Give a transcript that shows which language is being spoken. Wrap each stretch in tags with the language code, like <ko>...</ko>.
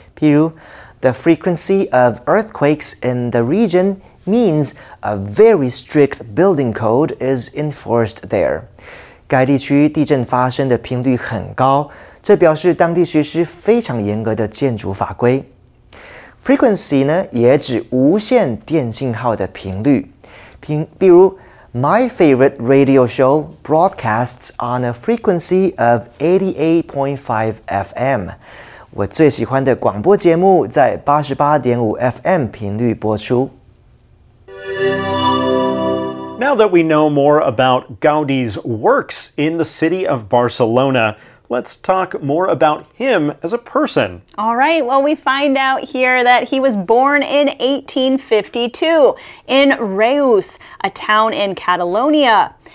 <zh>譬如</zh> <en>，The frequency of earthquakes in the region. Means a very strict building code is enforced there.</en> <zh>该地区地震发生的频率很高，这表示当地实施非常严格的建筑法规。 Frequency 呢，也指无线电信号的频率。比如</zh> <en>，My favorite radio show broadcasts on a frequency of 88.5 FM.</en> <zh>我最喜欢的广播节目在 88.5 FM 频率播出。</zh> <en>Now that we know more about Gaudí's works in the city of Barcelona, let's talk more about him as a person. All right, well, we find out here that he was born in 1852 in Reus, a town in Catalonia.</en>